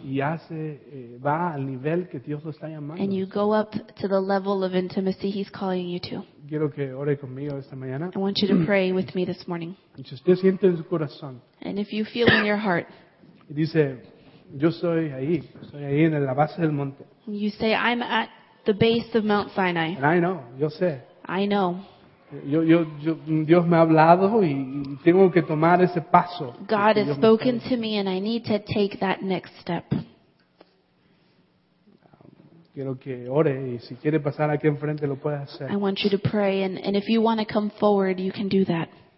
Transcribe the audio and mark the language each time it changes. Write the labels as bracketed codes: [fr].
[es] Y hace va al nivel que Dios lo está llamando. [en] And you go up to the level of intimacy He's calling you to. [es] Quiero que ore conmigo esta mañana. [en] I want you to pray with me this morning. [es] Y si usted siente en su corazón. [en] And if you feel in your heart. [es] Y dice, yo soy ahí en la base del monte. [en] You say, I'm at the base of Mount Sinai. And I know, [es] yo sé. [en] I know. [es] Yo, Dios me ha hablado y tengo que tomar ese paso. [en] God has spoken to me and I need to take that next step. [es] Quiero que ore y si quiere pasar aquí enfrente lo puede hacer. [en] I want you to pray and if you want to come forward you can do that.